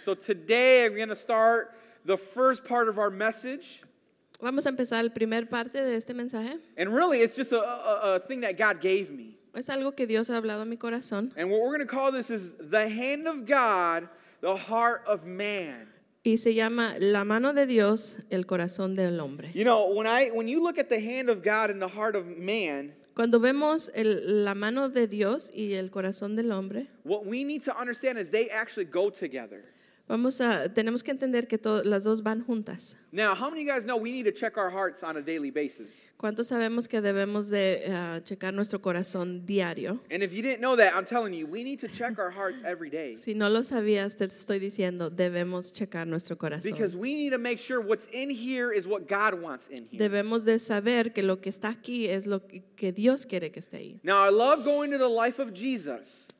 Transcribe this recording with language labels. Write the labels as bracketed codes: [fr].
[en] So today we're going to start the first part of our message. [es] Vamos a empezar el primer parte de este mensaje. [en] And really, it's just a thing that God gave me. [es] Es algo que Dios ha hablado a mi corazón. [en] And what we're going to call this is the hand of God, the heart of man. [es] Y se llama la mano de Dios, el corazón del hombre. [en] You know, when you look at the hand of God and the heart of man, [es] cuando vemos la mano de Dios y el corazón del hombre, [en] what we need to understand is they actually go together. [es] Tenemos que entender que las dos van juntas. [en] Now, how many of you guys know we need to check our hearts on a daily basis? [es] ¿Cuántos sabemos que debemos de checar nuestro corazón diario? [en] And if you didn't know that, I'm telling you, we need to check our hearts every day. [es] Si no lo sabías, te estoy diciendo, debemos checar nuestro corazón. [en] Because we need to make sure what's in here is what God wants in here. [es] Debemos de saber que lo que está aquí es lo que Dios quiere que esté ahí. [en] Now, I love going to the life of Jesus.